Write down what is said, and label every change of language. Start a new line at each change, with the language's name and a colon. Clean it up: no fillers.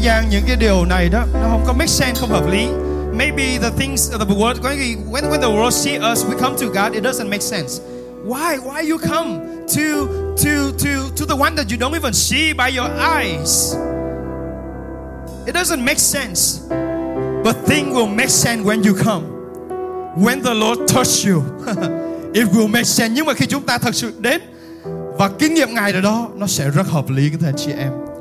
Vietnamese: Những cái điều này đó nó không có
English: make sense,
Vietnamese: không hợp lý.
English: Maybe the things of the world, when the world see us, we come to God, it doesn't make sense. Why you come to the one that you don't even see by your eyes? It doesn't make sense. But things will make sense when you come, when the Lord touch you. It will make sense.
Vietnamese: Nhưng mà khi chúng ta thật sự đến và kinh nghiệm Ngài ở đó, nó sẽ rất hợp lý, các anh chị em.